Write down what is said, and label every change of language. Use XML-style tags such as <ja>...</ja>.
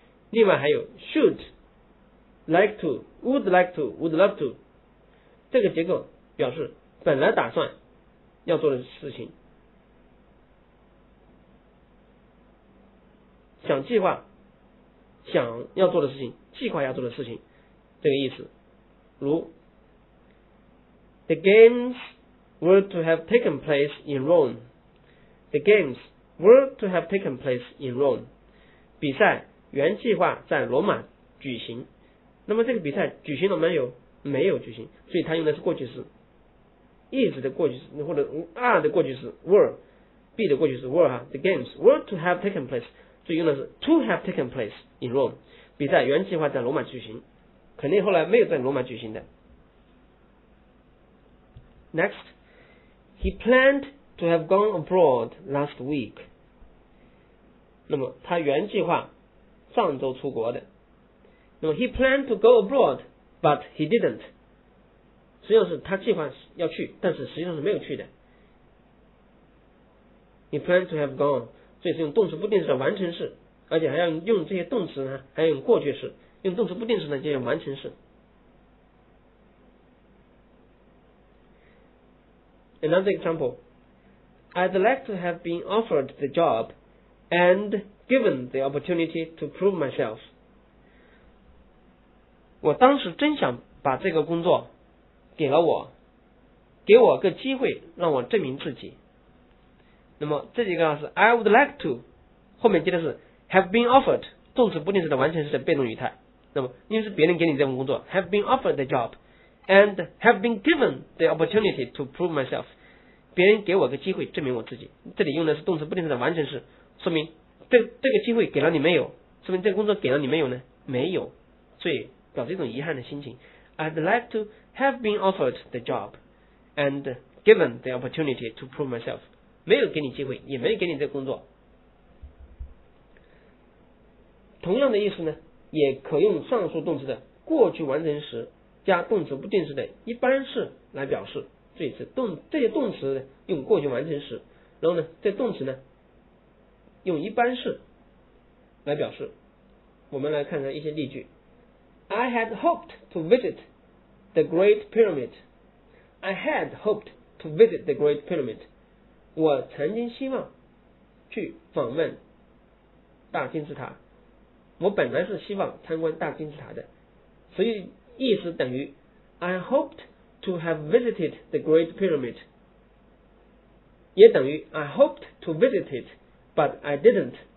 <zh>另外还有 should、like to、</zh> <en>would like to、 would love to，</en> <zh>这个结构表示本来打算要做的事情。想计划，想要做的事情，计划要做的事情，这个意思。如</zh> <en>The games were to have taken place in Rome. The games were to have taken place in Rome.</en> <zh>比赛原计划在罗马举行。那么这个比赛举行了没有？没有举行，所以它用的是过去式。 is 的过去式，或者 are 的过去式 were， be 的过去式 were 哈。</zh> <en>The games were to have taken place。</en> <zh>所以用的是</zh> <en>to have taken place in Rome，</en> <zh>比赛原计划在罗马举行，肯定后来没有在罗马举行的。</zh> <en>Next， he planned to have gone abroad last week。</en> <zh>那么他原计划上周出国的。那么</zh> <en>he planned to go abroad but he didn't，</en> <zh>实际上是他计划要去，但是实际上是没有去的。</zh> <en>he planned to have gone，</en> <zh>所以是用动词不定式的完成式，而且还要用这些动词呢，还要用过去式。用动词不定式呢，就用完成式。</zh> <en>Another example, I'd like to have been offered the job and given the opportunity to prove myself.</en> <zh>我当时真想把这个工作给了我，给我个机会让我证明自己。那么这几个是</zh> <en>I would like to，</en> <zh>后面接的是</zh> <en>have been offered，</en> <zh>动词不定式的完全是被动语态。那么因为是别人给你这份工作，</zh> <en>have been offered the job and have been given the opportunity to prove myself，</en> <zh>别人给我个机会证明我自己。这里用的是动词不定式的完全是，说明 这个机会给了你没有，说明这个工作给了你没有呢？没有，所以表示一种遗憾的心情。</zh> <en>I'd like to have been offered the job and given the opportunity to prove myself，</en> <zh>没有给你机会，也没有给你这个工作。同样的意思呢，也可用上述动词的过去完成时加动词不定式的一般式来表示。所以是这些动词用过去完成时，然后呢，这动词呢用一般式来表示。我们来看看一些例句。</zh> <en>I had hoped to visit the Great Pyramid. I had hoped to visit the Great Pyramid.</en> <zh>我曾经希望去访问大金字塔，我本来是希望参观大金字塔的，所以意思等于</zh> <en>I hoped to have visited the Great Pyramid，</en> <zh>也等于</zh> <en>I hoped to visit it but I didn't。</en>